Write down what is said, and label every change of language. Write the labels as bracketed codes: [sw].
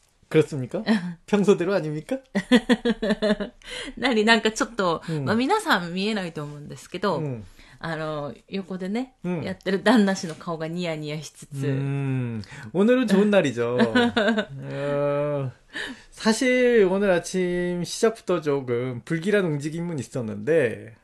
[ko] 그렇습니까평소대로아닙니까 [ja] なになんかちょっと、まあ、皆さん見えないと思うんですけど、あの横でね、やってる旦那氏の顔がニヤニヤしつつ、 [ko] 오늘은좋은날이죠 사실오늘아침시작부터조금불길한움직임은있었는데